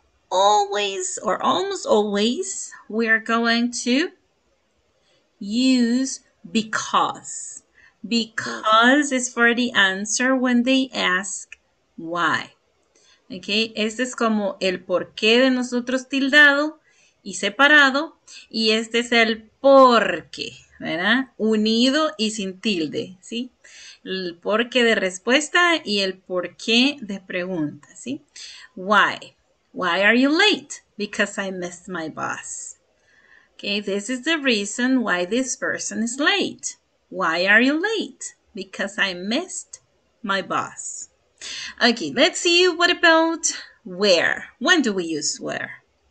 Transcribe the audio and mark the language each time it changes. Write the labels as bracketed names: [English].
[English] Always or almost always, we are going to use because. Because is for the answer when they ask why. [Spanish] Okay, este es como el porqué de nosotros tildado y separado, y este es el porqué, ¿verdad? Unido y sin tilde, ¿sí? El porqué de respuesta y el porqué de pregunta, ¿sí? [English] Why? Why are you late? Because I missed my bus. Okay, this is the reason why this person is late. Why are you late? Because I missed my bus. Okay, let's see. What about where? When do we use where?